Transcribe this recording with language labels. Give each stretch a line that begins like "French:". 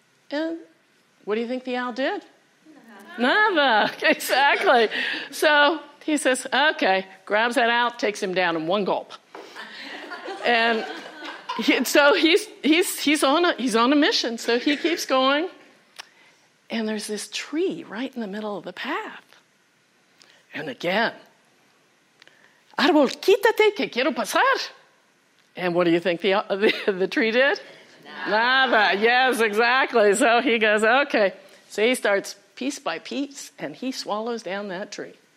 English: And what do you think the owl did? Nada. Nada. Exactly. So he says, okay, grabs that owl, takes him down in one gulp. And So he's on a mission. So he keeps going, and there's this tree right in the middle of the path. And again,
Spanish: árbol, quítate que quiero pasar.
English: And what do you think the tree did? Nada. Yes, exactly. So he goes, okay. So he starts piece by piece, and he swallows down that tree.